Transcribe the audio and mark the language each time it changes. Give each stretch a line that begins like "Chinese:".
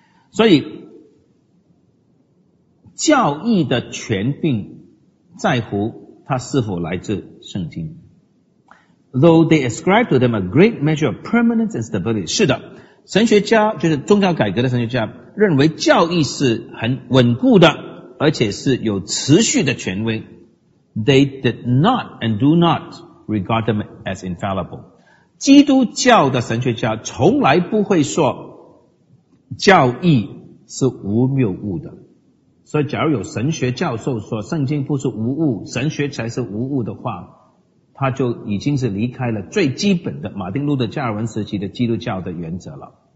Chinese: 所以教义的权柄在乎它是否来自圣经。
English: Though they ascribe to them a great measure of permanence and stability，
Chinese: 是的，神学家就是宗教改革的神学家认为教义是很稳固的，而且是有持续的权威。
English: They did not and do not regard them as infallible。
Chinese: 基督教的神学家从来不会说教义是无谬误的。所以假如有神学教授说圣经不是无误，神学才是无误的话，他就已经是离开了最基本的马丁路德加尔文时期的基督教的原则了。